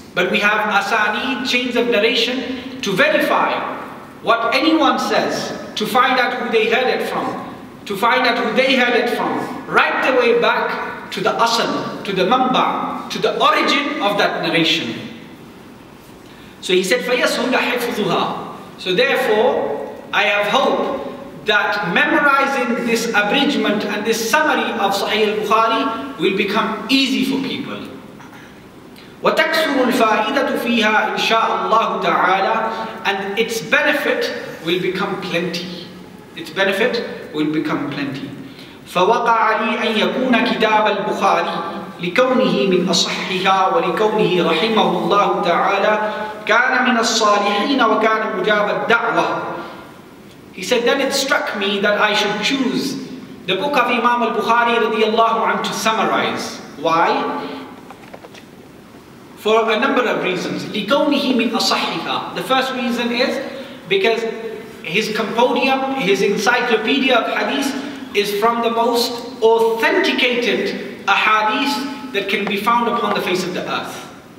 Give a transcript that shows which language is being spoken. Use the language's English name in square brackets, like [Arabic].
[English] But we have Asanid, chains of narration, to verify what anyone says, to find out who they heard it from, to find out who they heard it from, right the way back, to the asal, to the manba, to the origin of that narration. So he said, [Arabic] فَيَسْهُلَ حِفْظُهَا [English] So therefore, I have hope that memorizing this abridgment and this summary of Sahih al-Bukhari will become easy for people. [Arabic] وَتَكْسُرُ الْفَائِدَةُ فِيهَا إِنْ شَاءَ اللَّهُ تَعَالَى [English] And its benefit will become plenty. Its benefit will become plenty. [Arabic] فوقع لي أن يكون كتاب البخاري لكونه من أصحها ولكونه رحمه الله تعالى كان من الصالحين وكان مجاب الدعوة [English] He said, then it struck me that I should choose the book of Imam al-Bukhari [Arabic] رضي الله عنه [English] to summarize. Why? For a number of reasons. [Arabic] لكونه من أصحها [English] The first reason is because his compendium, his encyclopedia of hadith is from the most authenticated ahadith that can be found upon the face of the earth.